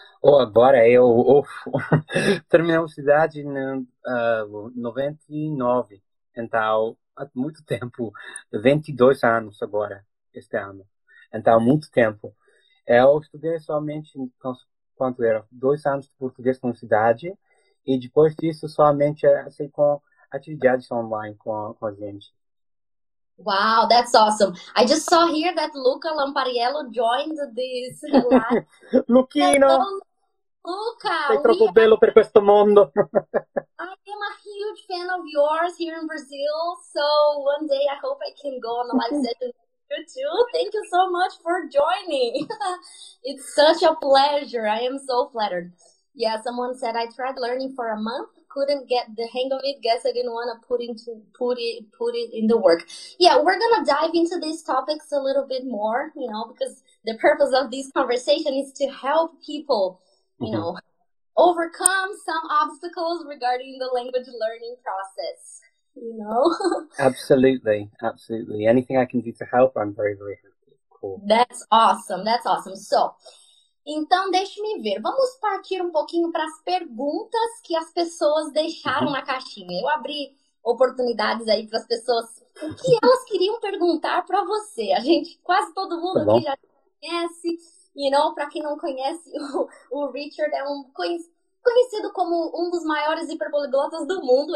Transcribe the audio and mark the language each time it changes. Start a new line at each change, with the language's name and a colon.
Portuguese: Oh, agora eu terminei a universidade em 99, então há muito tempo, 22 anos agora, este ano, então há muito tempo. Eu estudei somente, quanto era, 2 anos de português na universidade e depois disso somente assim com atividades online com a gente.
English: Wow, that's awesome. I just saw here that Luca Lampariello joined this live.
Italian: Luchino,
English: Hello,
Italian: sei
English: Luca.
Italian: troppo bello per questo mondo.
English: I am a huge fan of yours here in Brazil. So one day I hope I can go on a live session with you too. Thank you so much for joining. It's such a pleasure. I am so flattered. Yeah, someone said I tried learning for a month. Couldn't get the hang of it. Guess I didn't want to put it in the work. Yeah, we're gonna dive into these topics a little bit more, you know, because the purpose of this conversation is to help people, you know, overcome some obstacles regarding the language learning process, you know. Absolutely, absolutely. Anything I can do to help, I'm very, very happy. Cool. That's awesome. That's awesome. So,
Portuguese: então, deixe-me ver. Vamos partir um pouquinho para as perguntas que as pessoas deixaram na caixinha. Eu abri oportunidades aí para as pessoas. O que elas queriam perguntar para você? A gente, quase todo mundo aqui Tá bom. já conhece, you know, para quem não conhece, o Richard é um conhecido como um dos maiores hiperpoliglotas do mundo.